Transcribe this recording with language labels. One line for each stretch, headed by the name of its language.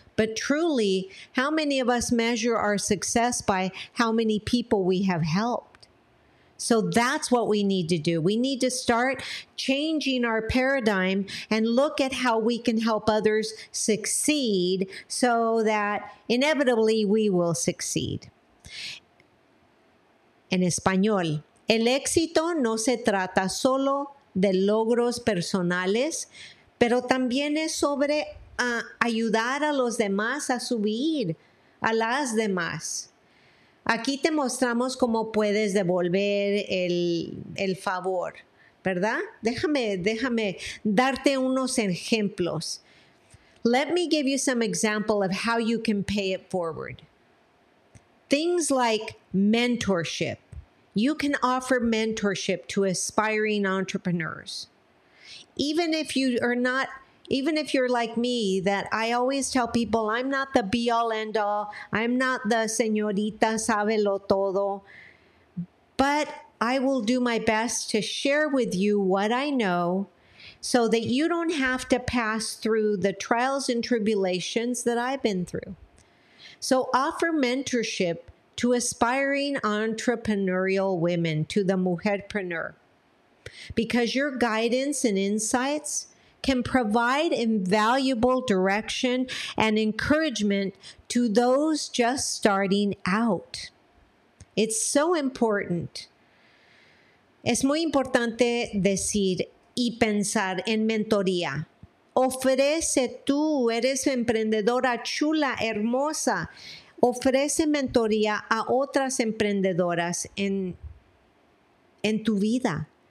English: But truly, how many of us measure our success by how many people we have helped? So that's what we need to do. We need to start changing our paradigm and look at how we can help others succeed so that inevitably we will succeed.
Spanish: En español, el éxito no se trata solo de logros personales, pero también es sobre ayudar a los demás a subir, a las demás. Aquí te mostramos cómo puedes devolver el favor, ¿verdad? Déjame darte unos ejemplos.
English: Let me give you some example of how you can pay it forward. things like mentorship. You can offer mentorship to aspiring entrepreneurs. Even if you are not, even if you're like me, that I always tell people I'm not the be all end all. I'm not the
Spanish: señorita sabe lo todo.
English: But I will do my best to share with you what I know so that you don't have to pass through the trials and tribulations that I've been through. So offer mentorship to aspiring entrepreneurial women, to the Mujerpreneur, because your guidance and insights can provide invaluable direction and encouragement to those just starting out. It's so important.
Spanish: Es muy importante decir y pensar en mentoría. Ofrece tú, eres emprendedora chula, hermosa. Ofrece mentoría a otras emprendedoras en tu vida.